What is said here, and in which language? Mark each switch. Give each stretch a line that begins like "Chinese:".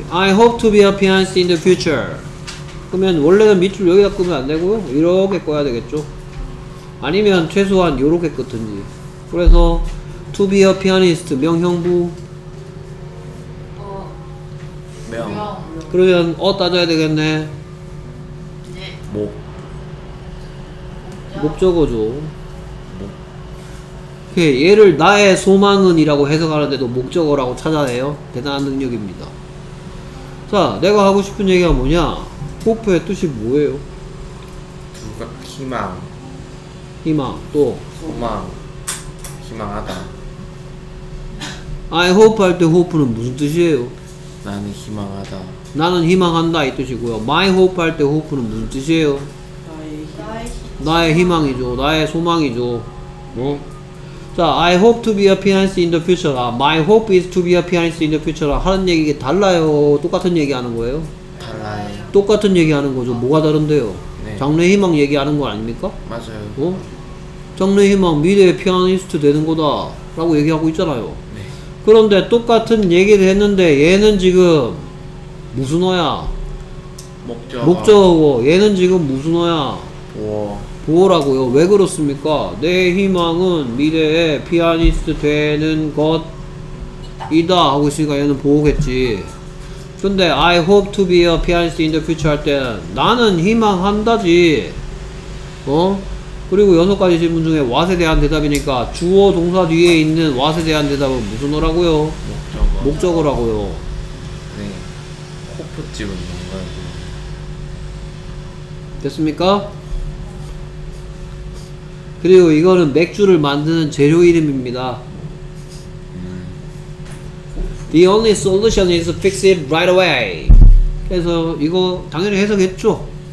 English: I hope to be a pianist in the future.
Korean: 그러면 원래는 밑줄 여기다 끄면 안 되고요. 이렇게 꺼야 되겠죠. 아니면 최소한 이렇게 끄든지. 그래서
English: to be a pianist
Korean: 명형부. 명. 그러면 따져야 되겠네. 네. 목. 목적어죠. 오케이. 얘를 나의 소망은이라고 해석하는데도 목적어라고 찾아내요. 대단한 능력입니다. 자, 내가 하고 싶은 얘기가 뭐냐? 호프의 뜻이 뭐예요? 누가 희망. 희망, 또? 소망. 희망하다.
English: I hope
Korean: 할 때 hope는 무슨 뜻이에요? 나는 희망하다. 나는 희망한다 이 뜻이고요.
English: My hope
Korean: 할 때 hope는 무슨 뜻이에요? 나의 희망이죠. 나의 소망이죠. 뭐?
English: 자, I hope to be a pianist in the future. My hope is to be a pianist in the future.
Korean: 하는 얘기가 달라요. 똑같은 얘기 하는 거예요? 달라요. 똑같은 얘기 하는 거죠. 뭐가 다른데요? 네. 장래 희망 얘기하는 거 아닙니까? 맞아요. 어? 장래 희망, 미래의 피아니스트 되는 거다 라고 얘기하고 있잖아요. 네. 그런데 똑같은 얘기를 했는데 얘는 지금 무슨 어야? 목적어. 얘는 지금 무슨 어야? 보어. 보어라고요. 왜 그렇습니까? 내 희망은 미래의 피아니스트 되는 것이다 하고 있으니까 얘는 보어겠지. 근데
English: I hope to be a pianist in the future
Korean: 할 때는 나는 희망한다지. 어? 그리고 여섯 가지 질문 중에 what에 대한 대답이니까 주어 동사 뒤에 있는 what에 대한 대답은 무슨 어라고요? 목적어. 목적어라고요. 네. 호프 집은 뭔가요? 됐습니까? 그리고 이거는 맥주를 만드는 재료 이름입니다.
English: The only solution is to fix it right away.
Korean: 그래서 이거 당연히 해석했죠?